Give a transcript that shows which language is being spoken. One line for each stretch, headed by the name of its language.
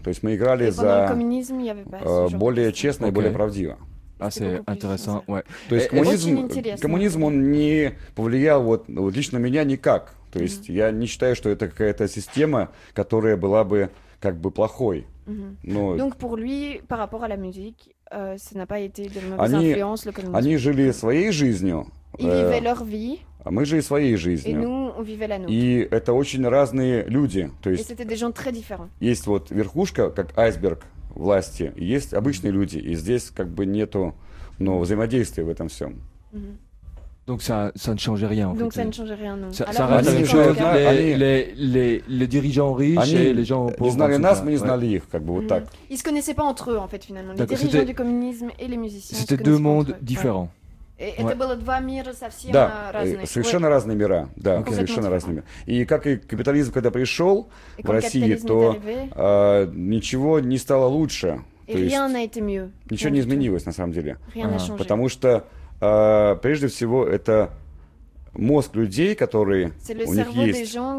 Russian: То есть мы играли за более честно и более правдиво. То есть коммунизм он не повлиял вот лично меня никак. То есть я не считаю, что это какая-то система, которая была бы как бы плохой.
French: Donc pour lui, par rapport à la musique, ça n'a pas été de mauvaise influence le communisme.
Russian: Они жили своей жизнью. А мы жили своей жизнью. И это очень разные люди. То есть есть вот верхушка, как айсберг власти, есть обычные люди, и здесь как бы нету, ну, взаимодействия в этом всем.
French: Donc ça ne change rien en Donc fait. Donc ça ne change rien non. Alors, ça reste les dirigeants riches
Russian: они
French: et les gens pauvres. Ils
Russian: знали нас, мы не знали их, как бы вот так.
French: Ils se connaissaient pas entre eux en fait finalement. Les D'accord, dirigeants du communisme et les musiciens. C'était deux mondes différents. Ouais.
Russian: Это было два мира совсем да, разных. Совершенно вы... разные мира. Да, okay. Совершенно разные мира. И как и капитализм, когда пришел в России, то ничего не стало лучше. То есть, ничего не изменилось на самом деле. Потому что прежде всего это мозг людей, который у них есть.